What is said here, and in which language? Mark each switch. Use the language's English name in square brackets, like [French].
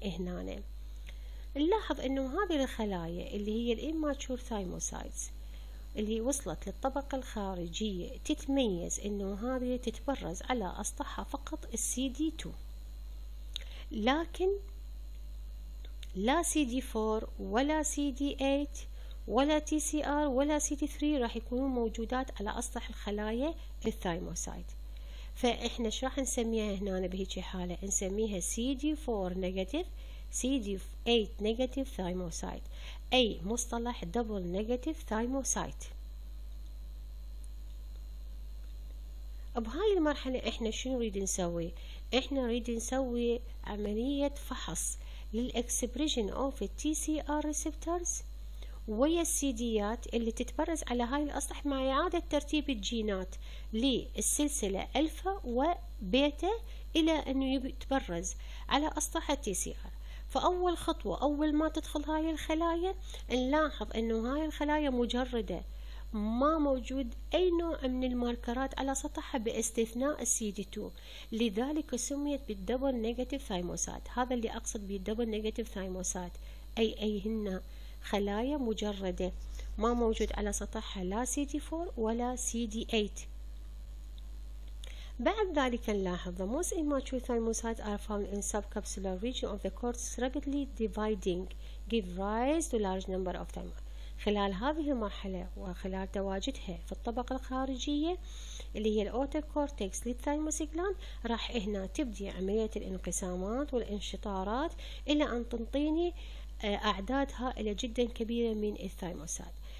[Arabic] هنا نلاحظ انه هذه الخلايا اللي هي الاماتشور ثايموسايتس اللي وصلت للطبقة الخارجية تتميز انه هذه تتبرز على اسطحها فقط السي دي 2، لكن لا CD4 ولا CD8 ولا TCR ولا CD3 راح يكونوا موجودات على أسطح الخلايا الثايموسايت. فإحنا شو راح نسميها هنا بهيجي حالة؟ نسميها [English] CD4 negative CD8 negative thymocyte. A [Arabic] مصطلح [English] double negative thymocyte. [Arabic] بهاي المرحلة احنا شو نريد نسوي؟ احنا نريد نسوي عملية فحص للإكسبريشن اوف التي سي ار ريسبتورز ويا السيديات اللي تتبرز على هاي الأسطح مع إعادة ترتيب الجينات للسلسلة الفا وبيتا إلى أنه يتبرز على أسطح التي سي ار. فأول خطوة أول ما تدخل هاي الخلايا نلاحظ أنه هاي الخلايا مجردة، ما موجود أي نوع من الماركرات على سطحها باستثناء CD2، لذلك سميت بالدبل نيجاتيف ثايموسات. هذا اللي أقصد بالدبل نيجاتيف ثايموسات، أي هن خلايا مجردة ما موجود على سطحها لا CD4 ولا CD8. بعد ذلك نلاحظ [English] the most immature thymocytes are found in subcapsular region of the cortex rapidly dividing give rise to large number of thymocytes. [Arabic] خلال هذه المرحلة وخلال تواجدها في الطبقة الخارجية اللي هي الأوتر كورتكس للثايموسيجلان راح هنا تبدي عملية الانقسامات والانشطارات إلى أن تنطيني أعداد هائلة جدا كبيرة من الثايموسات.